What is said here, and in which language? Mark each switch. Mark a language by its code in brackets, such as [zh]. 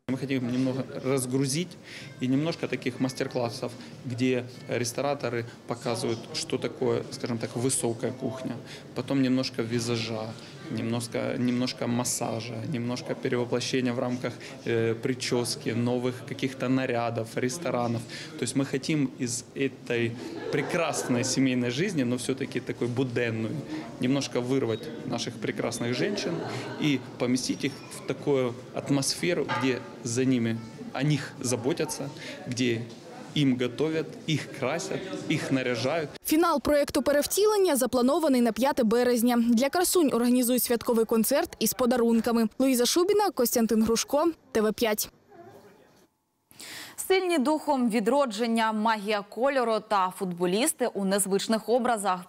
[uk] Ми хотіли немного розгрузити і немного таких майстер-класів, де ресторатори показують, що таке, скажімо так, висока кухня, потім немного візажа, [ru] немножко массажа, немножко перевоплощения в рамках прически, новых каких-то нарядов, ресторанов. То есть мы хотим из этой прекрасной семейной жизни, но все-таки такой буденной, немножко вырвать наших прекрасных женщин и поместить их в такую атмосферу, где за ними, о них заботятся, где [uk] їм готують, їх красять, їх наряжають. Фінал проєкту «Перевтілення» запланований на 5 березня. Для красунь організують святковий концерт із подарунками. Луїза Шубіна, Костянтин Грушко, ТВ5. Сильні духом відродження, магія кольору та футболісти у незвичних образах.